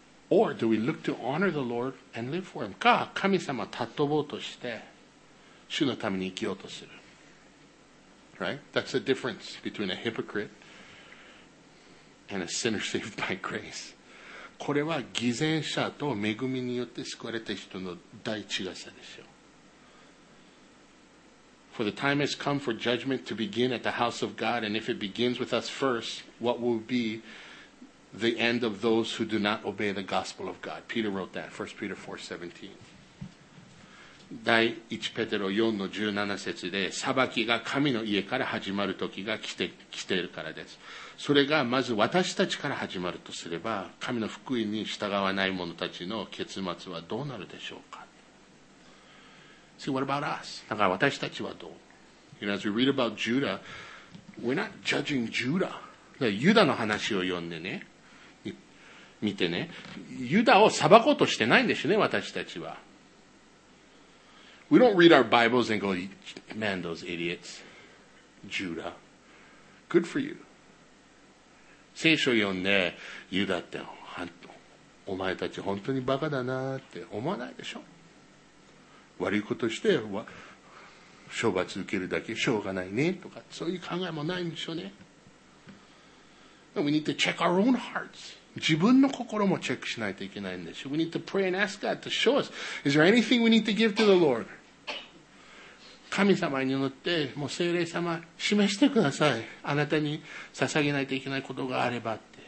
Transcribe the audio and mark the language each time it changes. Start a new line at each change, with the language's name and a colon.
English: Or do we look to honor the Lord and live for Him?
Japanese: か、神様を尊ぼうとして、主のために生きようとする。
English: Right? That's the difference between a hypocrite and a sinner saved by grace.
Japanese: これは偽善者と恵みによって救われた人の大違さですよ。
English: For the time has come for judgment to begin at the house of God, and if it begins with us first, what will be... The end of those who do not obey the gospel of God. Peter wrote that, 1 Peter 4:17.
Japanese: 第1ペテロ4の17節で、裁きが神の家から始まる時が来ているからです。それがまず私たちから始まるとすれば、神の福音に従わない者たちの結末はどうなるでしょうか。
English: See, what about us?
Japanese: だから私たちはどう?
English: You know, as we read about Judah, we're not judging Judah.
Japanese: ユダの話を読んでね、見てね、ユダを裁こうとしてないんですよね、私たちは。
English: We don't read our Bibles and go, man, those idiots, Judah, good for you.
Japanese: 聖書を読んで、ユダって、お前たち本当にバカだなって思わないでしょ。悪いことして、処罰受けるだけしょうがないねとか、そういう考えもないんでしょうね。
English: We need to check our own hearts.
Japanese: 自分の心もチェックしないといけないんでしょ。
English: We need to pray and ask God to show us. Is there anything we need to give to the Lord?
Japanese: 神様に祈って、もう聖霊様、示してください。あなたに捧げないといけないことがあればって。